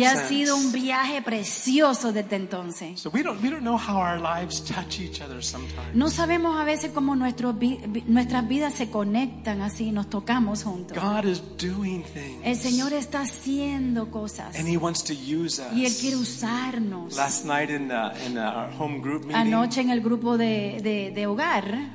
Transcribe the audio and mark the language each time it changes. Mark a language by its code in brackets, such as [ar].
[es] Y ha sido un viaje precioso desde entonces. [en] So we don't know how our lives touch each other sometimes. [es] No sabemos a veces cómo nuestras vidas se conectan así, nos tocamos juntos. [en] God is doing things. [es] El Señor está haciendo cosas. [en] And he wants to use us. [es] Y él quiere usarnos. [en] Last night in our home group meeting. [es] Anoche en el grupo de hogar.